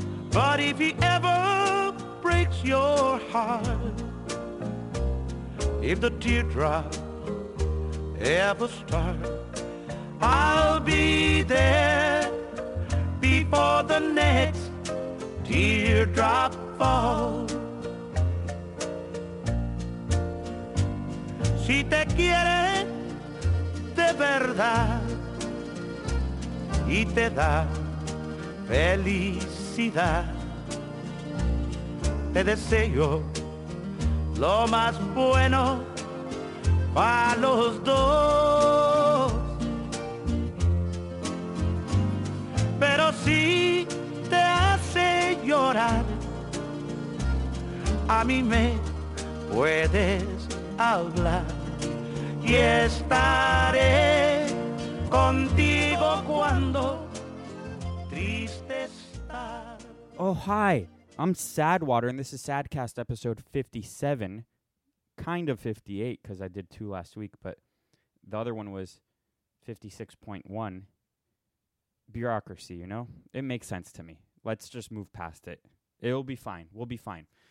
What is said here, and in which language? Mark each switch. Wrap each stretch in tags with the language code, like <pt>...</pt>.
<en>But if he ever breaks your heart, if the teardrop ever starts, I'll be there before the next teardrop falls.</en> <es>Si te quiere de verdad y te da felicidad, te deseo lo más bueno para los dos. Pero si te hace llorar, a mí me puedes hablar y estaré contigo cuando triste estás.</es> <en>Oh, hi. I'm Sadwater, and this is Sadcast episode 57, kind of 58, because I did two last week, but the other one was 56.1. Bureaucracy, you know? It makes sense to me. Let's just move past it. It'll be fine. We'll be fine.</en>